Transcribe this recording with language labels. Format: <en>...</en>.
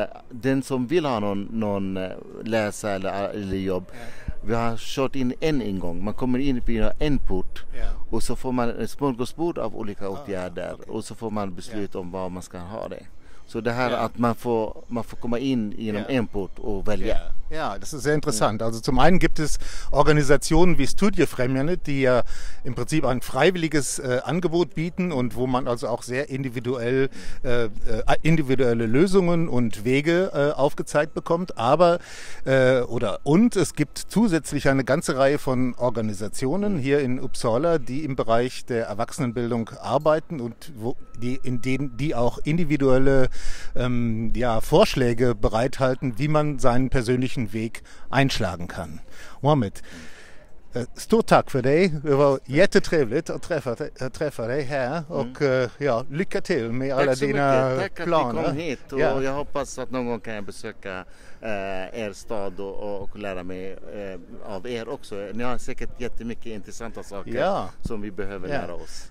<sv>Den som vill ha någon läsa eller jobb, vi har kört in en ingång. Man kommer in via en port och så får man ett smörgåsbord av olika åtgärder och så får man beslut om vad man ska ha det. Så det här att man får komma in genom en port och välja.</sv> <de>Ja, das ist sehr interessant. Also zum einen gibt es Organisationen wie Studiefrämjande, die ja im Prinzip ein freiwilliges Angebot bieten und wo man also auch sehr individuelle Lösungen und Wege aufgezeigt bekommt. Aber es gibt zusätzlich eine ganze Reihe von Organisationen hier in Uppsala, die im Bereich der Erwachsenenbildung arbeiten und die auch individuelle Vorschläge bereithalten, wie man seinen persönlichen Weg einschlagen kann.</de> <sv>Mohamed, stor tack för dig. Det var jättetrevligt att träffa dig här och lycka till med alla dina planer. Tack så mycket. Tack att du kom hit och jag hoppas att någon gång kan jag besöka er stad och lära mig av er också. Ni har säkert jättemycket intressanta saker som vi behöver lära oss.</sv>